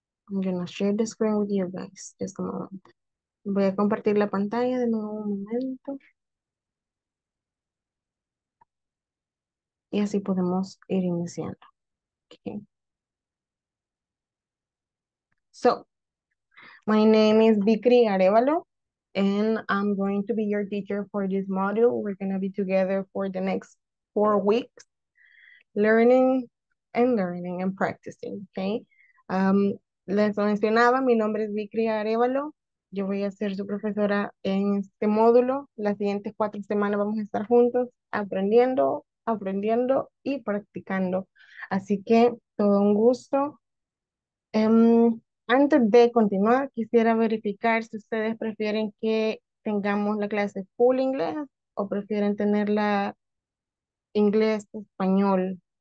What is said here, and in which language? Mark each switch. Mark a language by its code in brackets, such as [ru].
[en] I'm gonna share the screen with you guys. Just a moment. [es] Voy a compartir la pantalla de nuevo un momento. Y así podemos ir iniciando. Okay. [en] So, my name is Vicri Arevalo, and I'm going to be your teacher for this module. We're gonna be together for the next 4 weeks, learning and practicing. [es] Okay. Les mencionaba, mi nombre es Vicri Arevalo. Yo voy a ser su profesora en este módulo. Las siguientes 4 semanas vamos a estar juntos aprendiendo, aprendiendo y practicando. Así que todo un gusto. Antes de continuar, quisiera verificar si ustedes prefieren que tengamos la clase full inglés o prefieren tenerla inglés-español.